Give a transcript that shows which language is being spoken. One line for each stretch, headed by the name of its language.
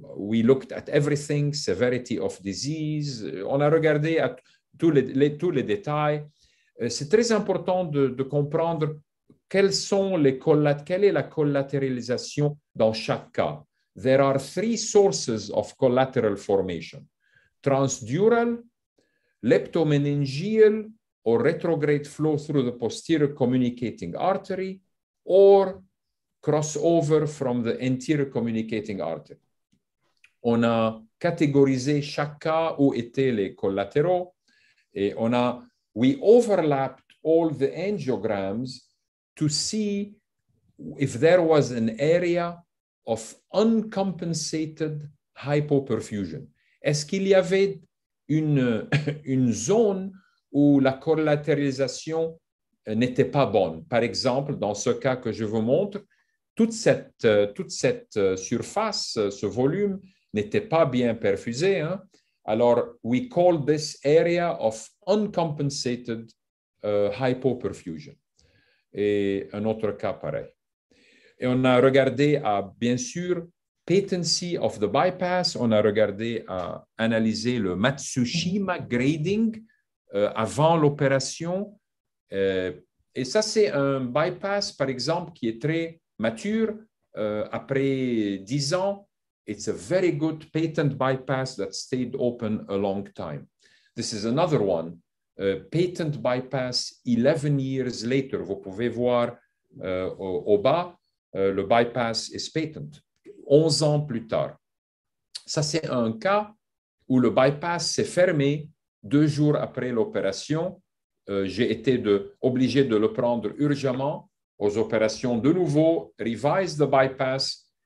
English: We looked at everything, severity of disease.
French: On a regardé à tous les détails. C'est très important de comprendre quelle est la collatéralisation dans chaque cas.
English: There are three sources of collateral formation: transdural, leptomeningeal, or retrograde flow through the posterior communicating artery, or crossover from the anterior communicating artery.
French: On a catégorisé chaque cas où étaient les collatéraux, et
English: we overlapped all the angiograms to see if there was an area of uncompensated hypoperfusion.
French: Est-ce qu'il y avait une zone où la collatéralisation n'était pas bonne. Par exemple, dans ce cas que je vous montre, toute cette surface, ce volume, n'était pas bien perfusé. Hein?
English: Alors, we call this area of uncompensated hypoperfusion.
French: Et un autre cas pareil. Et on a regardé à, bien sûr,
English: patency of the bypass.
French: On a regardé à analyser le Matsushima grading avant l'opération, et ça, c'est un bypass, par exemple, qui est très mature, après 10 ans.
English: It's a very good patent bypass that stayed open a long time. This is another one, patent bypass 11 years later.
French: Vous pouvez voir au bas, le bypass
English: is patent,
French: 11 ans plus tard. Ça, c'est un cas où le bypass s'est fermé. Deux jours après l'opération, j'ai été obligé de le prendre urgemment aux opérations de nouveau,
English: revise the bypass.